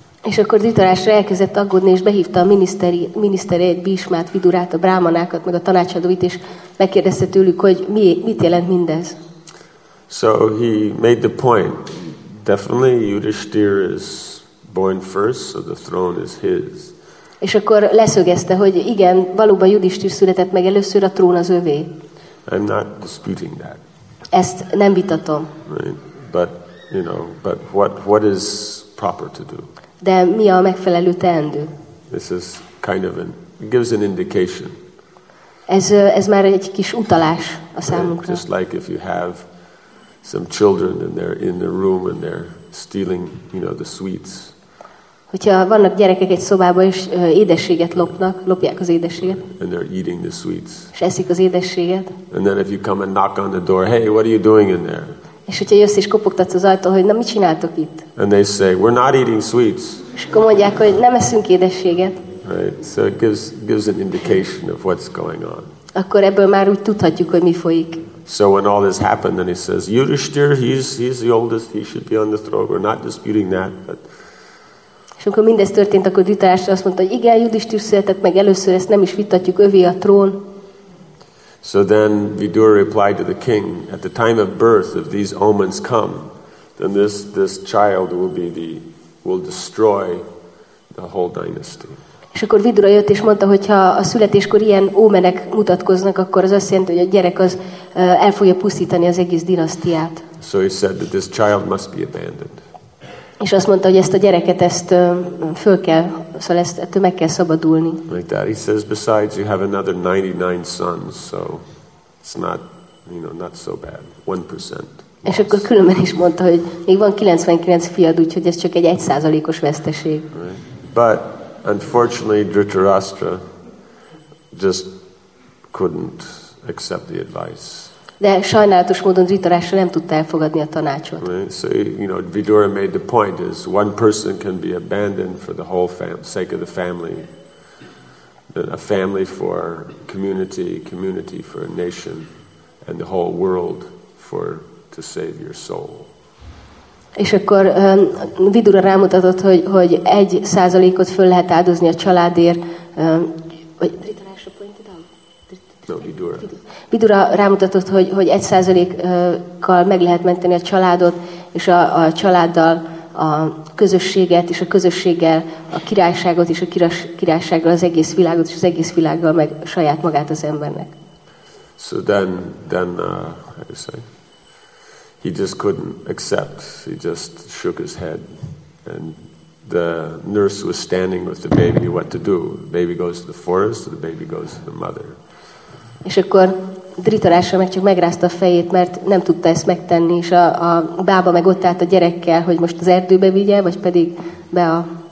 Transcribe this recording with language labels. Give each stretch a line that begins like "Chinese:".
Hungarian: És akkor Dhritarashtra elkezdett aggódni, és behívta a minisztereit, Bhishmát, Vidurát, a brámanákat, meg a tanácsadóit, és megkérdezte tőlük, hogy mit jelent mindez.
English: So he made the point. Definitely Yudhishthira is born first, so the throne is his.
Hungarian: És akkor leszögezte, hogy igen, valóban Yudhishthira született meg először, a trón az övé.
English: I'm not disputing that.
Hungarian: Ezt nem vitatom.
English: Right. But, you know, but what is proper to do?
Hungarian: De mi a megfelelő teendő?
English: This is kind of gives an indication.
Hungarian: Ez már egy kis utalás a számunkra.
English: Right. Just like if you have some children and they're in the room and they're stealing, you know, the sweets.
Hungarian: Hogyha vannak gyerekek egy szobában, és édességet lopnak, lopják az édességet.
English: And they're eating the sweets.
Hungarian: És eszik az édességet.
English: And then if you come and knock on the door, hey, what are you doing in there?
Hungarian: És hogyha jössz és kopogtatsz az ajtól, hogy na, mit csináltok itt?
English: And they say, we're not eating sweets.
Hungarian: És akkor mondják, hogy nem eszünk édességet.
English: Right, so it gives an indication of what's going on.
Hungarian: Akkor ebből már úgy tudhatjuk, hogy mi folyik.
English: So when all this happened, then he says, Yudhishthira, he's the oldest, he should be on the throne. We're not disputing that, but...
Hungarian: És amikor mindez történt, akkor Dhritarashtra azt mondta, hogy igen, Yudhishthira született meg először, ezt nem is vitatjuk, övé a trón.
English: So then Vidura replied to the king, at the time of birth, if these omens come, then this child will destroy the whole dynasty.
Hungarian: És akkor Vidura jött és mondta, hogy ha a születéskor ilyen ómenek mutatkoznak, akkor az azt jelenti, hogy a gyerek az el fogja pusztítani az egész dinasztiát.
English: So he said that this child must be abandoned.
Hungarian: És azt mondta, hogy ezt a gyereket ezt föl kell, szóval ezt meg kell szabadulni.
English: Like that. He says, besides, you have another 99 sons, so it's not, you know, not so bad. 1%.
Hungarian: És akkor különben is mondta, hogy még van 99 fiad, úgyhogy ez csak egy 1%-os veszteség.
English: Right. But unfortunately, Dhritarashtra just couldn't accept the advice.
Hungarian: De sajnálatos módon Dhritarashtra nem tudta elfogadni a tanácsot.
English: Right. So, you know, Vidura made the point is one person can be abandoned for the whole sake of the family. A family for community for a nation and the whole world for to save your soul.
Hungarian: És akkor Vidura rámutatott, hogy 1%-ot föl lehet áldozni a családért. Vagy
English: Dhritarashtra pointed out? No, Vidura.
Hungarian: Vidura rámutatott, hogy 1%-kal meg lehet menteni a családot, és a családdal a közösséget, és a közösséggel a királyságot, és a királysággal az egész világot, és az egész világgal meg saját magát az embernek.
English: So then how do you say? He just couldn't accept. He just shook his head. And the nurse was standing with the baby, what to do? The baby goes to the forest, or the baby goes to the mother?
Hungarian: És akkor Dhritarashtra meg csak megrázta a fejét, mert nem tudta ezt megtenni, és a bába meg ott állt a gyerekkel, hogy most az erdőbe vigye, vagy pedig be a...